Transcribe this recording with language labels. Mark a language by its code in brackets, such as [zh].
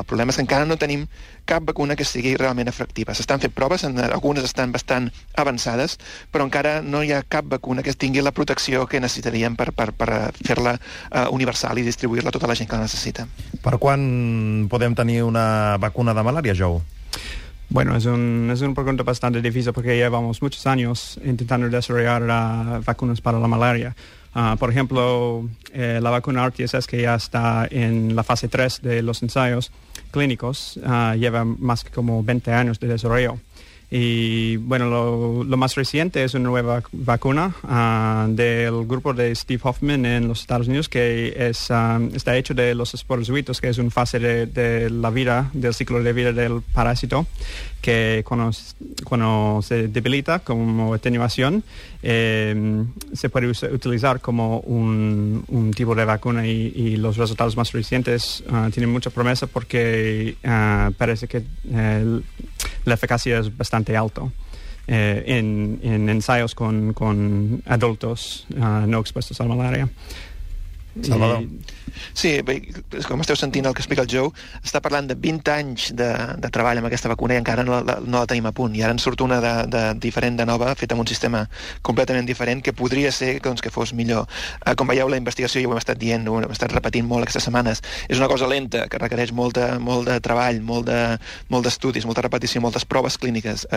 [ca] El problema és que encara no tenim cap vacuna que sigui realment efectiva. S'estan fent proves, algunes estan bastant avançades, però encara no hi ha cap vacuna que tingui la protecció que necessitaríem per fer-la universal i distribuir-la a tota la gent que la necessita. Per quan podem tenir una vacuna de malària, Joe? [es] Bueno, es una pregunta bastante difícil porque llevamos muchos años intentando desarrollar vacunas para la malaria. Por ejemplo, la vacuna RTSS, que ya está en la fase 3 de los ensayos clínicos, lleva más que como 20 años de desarrollo. Y bueno, lo más reciente es una nueva vacuna del grupo de Steve Hoffman en los Estados Unidos, que está hecho de los esporozoitos, que es una fase del ciclo de vida del parásito, que cuando se debilita como atenuación, se puede utilizar como un tipo de vacuna, y los resultados más recientes tienen mucha promesa porque parece que la eficacia es bastante alta en ensayos con adultos no expuestos a la malaria. Salvador. [ca] Sí, bé, com esteu sentint el que explica el Joe, està parlant de 20 anys de treball amb aquesta vacuna i encara no la tenim a punt. I ara en surt una de diferent, de nova, feta amb un sistema completament diferent, que podria ser que fos millor. Com veieu, la investigació, ja ho hem estat dient, ho hem estat repetint molt aquestes setmanes, és una cosa lenta, que requereix molt de treball, molt d'estudis, molta repetició, moltes proves clíniques.